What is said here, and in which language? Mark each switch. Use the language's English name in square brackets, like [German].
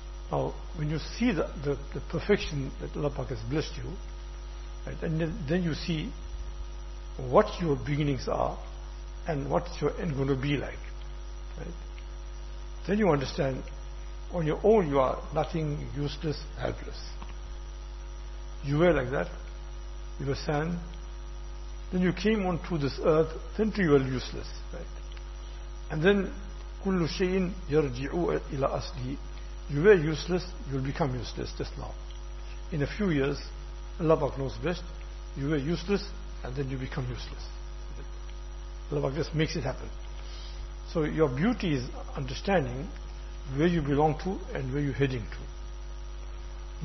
[English] Now, when you see the perfection that Allah Pak has blessed you, right, and then you see what your beginnings are and what's your end going to be like, right, then you understand on your own you are nothing, useless, helpless. You were like that, you were sand, then you came onto this earth, then you were useless, right? And then [Arabic] كُلُّ شَيْءٍ يَرْجِعُ إِلَىٰ أَصْلِهِ. [English] You were useless, you'll become useless just now. In a few years, Allah knows best, you were useless and then you become useless. Allah just makes it happen. So your beauty is understanding where you belong to and where you're heading to.